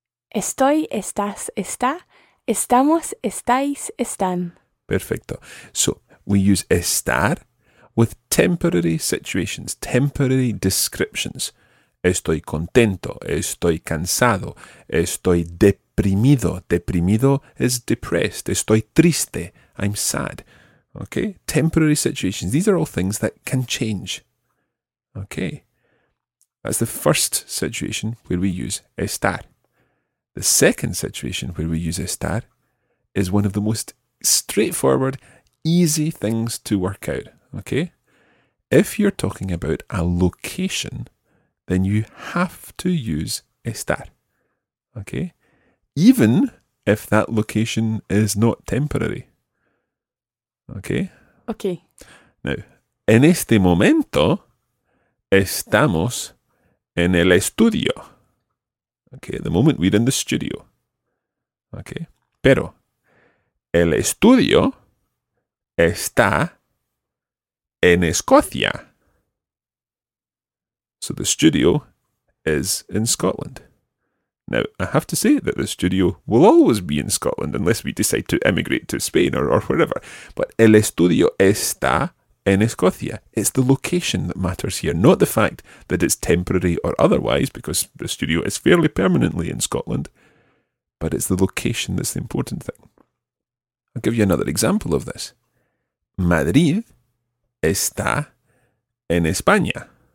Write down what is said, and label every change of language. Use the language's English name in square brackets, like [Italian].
[Spanish] Estoy, estás, está, estamos, estáis, están. [English] Perfecto. So, we use estar with temporary situations, temporary descriptions. [Spanish] Estoy contento, estoy cansado, estoy deprimido. [English] Deprimido is depressed. [Spanish] Estoy triste, [English] I'm sad. Okay, temporary situations. These are all things that can change. Okay, that's the first situation where we use estar. The second situation where we use estar is one of the most straightforward, easy things to work out. Okay, if you're talking about a location, then you have to use estar. Okay, even if that location is not temporary. Okay. Okay. [Spanish] Now, en este momento, estamos en el estudio. [English] Okay, at the moment we're in the studio. [Spanish] Okay, pero el estudio está en Escocia. [English] So the studio is in Scotland. Now, I have to say that the studio will always be in Scotland unless we decide to emigrate to Spain or wherever. [Spanish] But el estudio está en Escocia. [English] It's the location that matters here, not the fact that it's temporary or otherwise, because the studio is fairly permanently in Scotland, but it's the location that's the important thing. I'll give you another example of this. [Spanish] Madrid está en España.